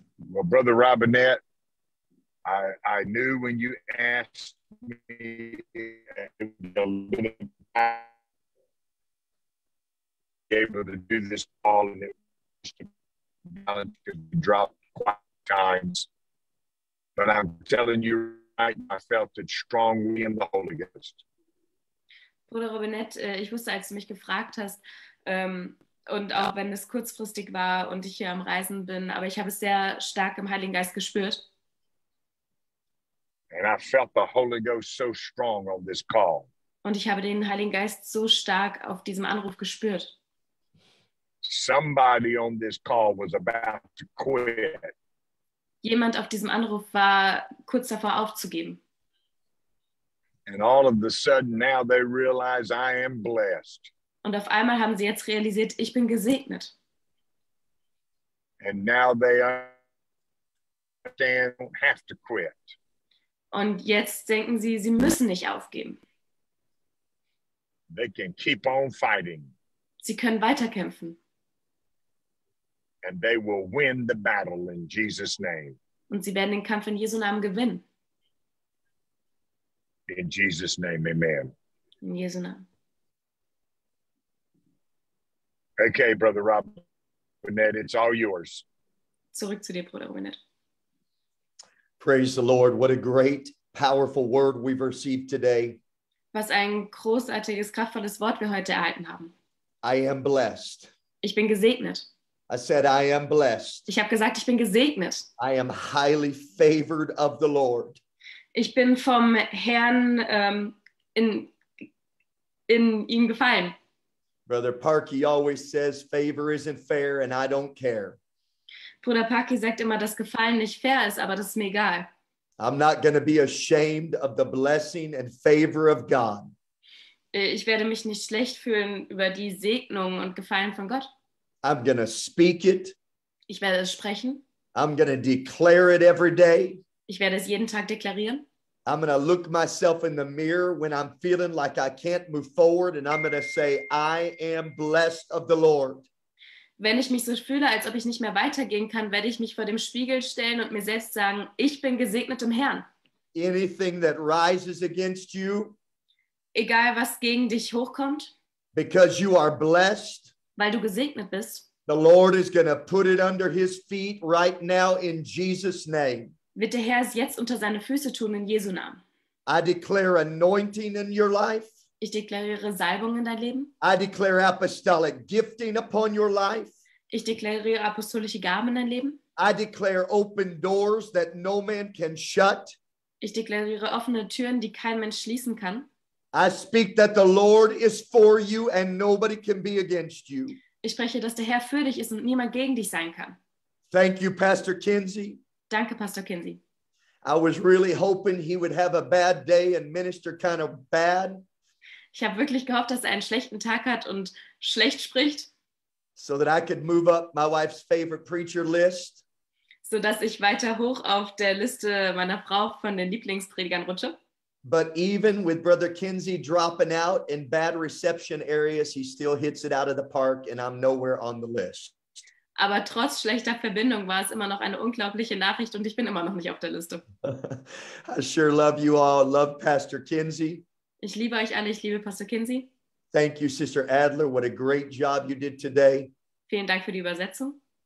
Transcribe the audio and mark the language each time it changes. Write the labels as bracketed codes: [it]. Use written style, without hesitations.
[en] Well, Brother Robinette, I knew when you asked me a little bit able to do this call, and it was a challenge to drop quite times. But I'm telling you right, I felt it strongly in the Holy Ghost. [de] Bruder Robinette, ich wusste, als du mich gefragt hast, und auch wenn es kurzfristig war und ich hier am Reisen bin, aber ich habe es sehr stark im Heiligen Geist gespürt. [en] And I felt the Holy Ghost so strong on this call. [de] Und ich habe den Heiligen Geist so stark auf diesem Anruf gespürt. [en] Somebody on this call was about to quit. [de] Jemand auf diesem Anruf war kurz davor aufzugeben. [en] And all of a sudden now they realize I am blessed. [de] Und auf einmal haben sie jetzt realisiert, ich bin gesegnet. [en] And now they understand, don't have to quit. [de] Und jetzt denken sie, sie müssen nicht aufgeben. [en] They can keep on fighting. [de] Sie können weiterkämpfen. [en] And they will win the battle in Jesus' name. [de] und sie werden den Kampf in Jesu Namen gewinnen. [en] In Jesus' name, amen. [de] In Jesu Namen. [en] Okay, Brother Rob Winnett, it's all yours. [de] Zurück zu dir, Bruder Winnett. [en] Praise the Lord. What a great, powerful word we've received today. [de] Was ein großartiges, kraftvolles Wort wir heute erhalten haben. [en] I am blessed. [de] Ich bin gesegnet. [en] I said, I am blessed. [de] Ich habe gesagt, ich bin gesegnet. [en] I am highly favored of the Lord. [de] Ich bin vom Herrn in ihm gefallen. [en] Brother Parkey always says favor isn't fair and I don't care. [de] Bruder Parkey sagt immer, dass Gefallen nicht fair ist, aber das ist mir egal. [en] I'm not going to be ashamed of the blessing and favor of God. [de] Ich werde mich nicht schlecht fühlen über die Segnung und Gefallen von Gott. [en] I'm going to speak it. [de] Ich werde es sprechen. [en] I'm going to declare it every day. [de] Ich werde es jeden Tag deklarieren. [en] I'm going to look myself in the mirror when I'm feeling like I can't move forward and I'm going to say, I am blessed of the Lord. [de] Wenn ich mich so fühle, als ob ich nicht mehr weitergehen kann, werde ich mich vor dem Spiegel stellen und mir selbst sagen, ich bin gesegnet im Herrn. [en] Anything that rises against you, [de] egal was gegen dich hochkommt, [en] because you are blessed, [de] weil du gesegnet bist, [en] the Lord is going to put it under his feet right now in Jesus' name. [de] Wird der Herr es jetzt unter seine Füße tun, in Jesu Namen. [en] I declare anointing in your life. [de] Ich deklariere Salbung in dein Leben. [en] I declare apostolic gifting upon your life. [de] Ich deklariere apostolische Gaben in dein Leben. [en] I declare open doors that no man can shut. [de] Ich deklariere offene Türen, die kein Mensch schließen kann. [en] I speak that the Lord is for you and nobody can be against you. [de] Ich spreche, dass der Herr für dich ist und niemand gegen dich sein kann. [en] Thank you, Pastor Kinsey. [de] Danke, Pastor Kinsey. [en] I was really hoping he would have a bad day and minister kind of bad. [de] Ich habe wirklich gehofft, dass er einen schlechten Tag hat und schlecht spricht. [en] So that I could move up my wife's favorite preacher list. [de] So dass ich weiter hoch auf der Liste meiner Frau von den Lieblingspredigern rutsche. [en] But even with Brother Kinsey dropping out in bad reception areas, he still hits it out of the park and I'm nowhere on the list. [de] Aber trotz schlechter Verbindung war es immer noch eine unglaubliche Nachricht und ich bin immer noch nicht auf der Liste. [en] I sure love you all. Love Pastor Kinsey. [de] Ich liebe euch alle. Ich liebe Pastor Kinsey. [en] Thank you, Sister Adler. What a great job you did today. [de] Vielen Dank für die Übersetzung.